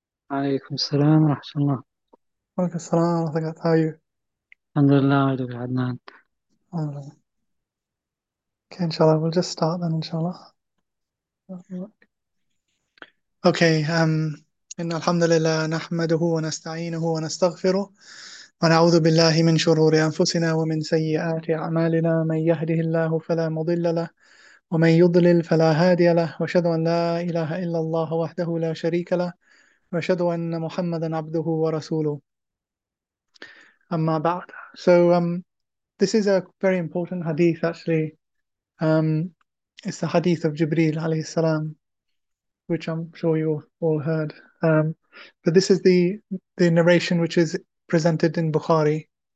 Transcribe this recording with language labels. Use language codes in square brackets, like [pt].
[ar] عليكم السلام ورحمة الله. وعليكم السلام ورحمة الله وبركاته. الحمد لله، عدك عدنان. [en] Okay, inshallah, we'll just start then, inshallah. [ar] Okay, إن الحمد لله نحمده ونستعينه ونستغفره ونعوذ بالله من شرور أنفسنا ومن سيئات أعمالنا، من يهده الله فلا مضل له ومن يضلل فلا هادي له، وأشهد أن لا إله إلا الله وحده لا شريك له، وأشهد أن محمدا عبده ورسوله. أما بعد، [en] so this is a very important hadith actually. It's the hadith of Jibreel alayhi salam, which I'm sure you all heard. But this is the narration which is presented in Bukhari.